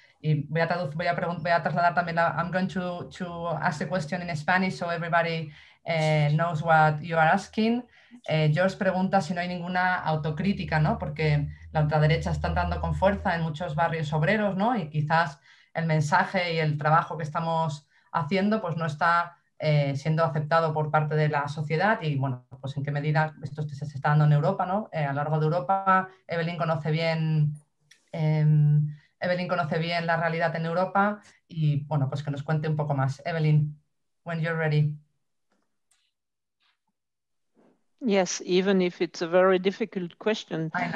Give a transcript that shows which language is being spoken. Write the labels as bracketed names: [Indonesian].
[Spanish] Y voy a trasladar también. [English] I'm going to ask the question in Spanish so everybody knows what you are asking. [Spanish] George pregunta si no hay ninguna autocrítica, ¿no? Porque la ultraderecha está entrando con fuerza en muchos barrios obreros, ¿no? Y quizás el mensaje y el trabajo que estamos haciendo pues no está siendo aceptado por parte de la sociedad. Y bueno, pues en qué medida esto se está dando en Europa, ¿no? A lo largo de Europa, Evelyn conoce bien la realidad en Europa y bueno, pues que nos cuente un poco más. [English] Evelyn, when you're ready. Yes, even if it's a very difficult question.